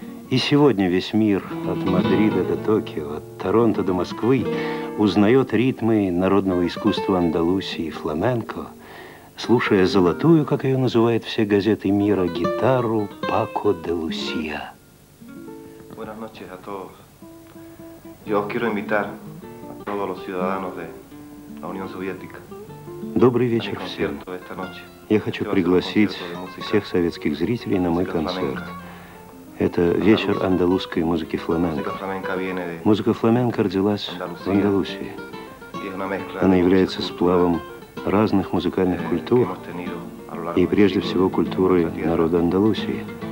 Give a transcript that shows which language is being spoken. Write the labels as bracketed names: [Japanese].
[Russian] И сегодня весь мир, от Мадрида до Токио, от Торонто до Москвы, узнает ритмы народного искусства Андалусии и фламенко, слушая золотую, как ее называют все газеты мира, гитару Пако де Лусия. [Spanish] Buenas noches a todos. Yo quiero invitar a todos los ciudadanos de la Unión Soviética. [Russian] Добрый вечер всем. Я хочу пригласить всех советских зрителей на мой концерт. Это вечер андалузской музыки фламенко. Музыка фламенко родилась в Андалусии. Она является сплавом разных музыкальных культур и, прежде всего, культуры народа Андалусии.